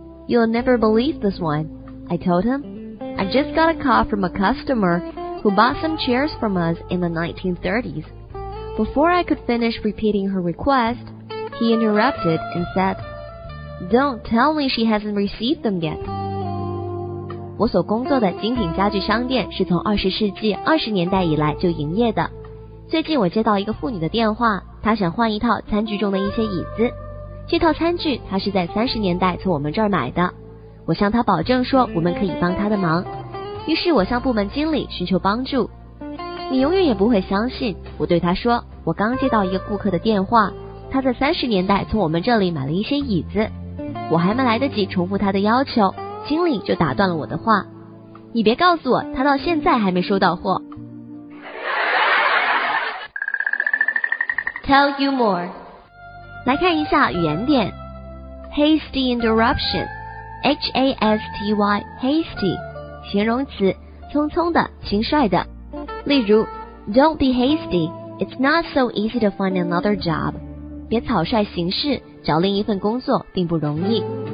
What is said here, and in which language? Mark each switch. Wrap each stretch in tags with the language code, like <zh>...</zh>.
<en>You'll never believe this one, I told him. I just got a call from a customer who bought some chairs from us in the 1930s. Before I could finish repeating her request, he interrupted and said, Don't tell me she hasn't received them yet.</en> <zh>我所工作的精品家具商店是从20世纪20年代以来就营业的。最近我接到一个妇女的电话，她想换一套餐具中的一些椅子。这套餐具她是在30年代从我们这儿买的。我向她保证说我们可以帮她的忙。于是我向部门经理寻求帮助。你永远也不会相信，我对她说，我刚接到一个顾客的电话，她在30年代从我们这里买了一些椅子。我还没来得及重复她的要求。经理就打断了我的话，你别告诉我他到现在还没收到货。</zh> <en>Tell you more，</en> <zh>来看一下语言点 ，hasty interruption， H A S T Y， hasty， 形容词，匆匆的，轻率的。例如</zh> <en>，Don't be hasty， it's not so easy to find another job。</en> <zh>别草率行事，找另一份工作并不容易。</zh>